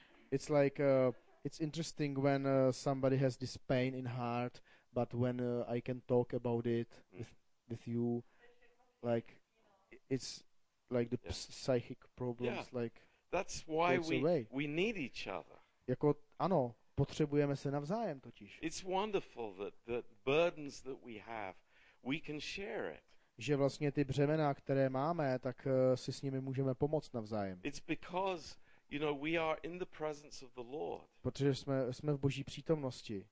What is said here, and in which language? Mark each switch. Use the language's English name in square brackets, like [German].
[English] It's like it's interesting when somebody has this pain in heart, but when I can talk about it with you, like it's like the psychic problems, like that's why goes away. We need each other. [Czech] Jako ano, potřebujeme se navzájem totiž. [English] It's wonderful that the burdens that we have, we can share it. [Czech] Že vlastně ty břemena, které máme, tak si s nimi můžeme pomoct navzájem. [English] It's because You know, we are in the presence of the Lord. [Czech] Protože jsme v Boží přítomnosti.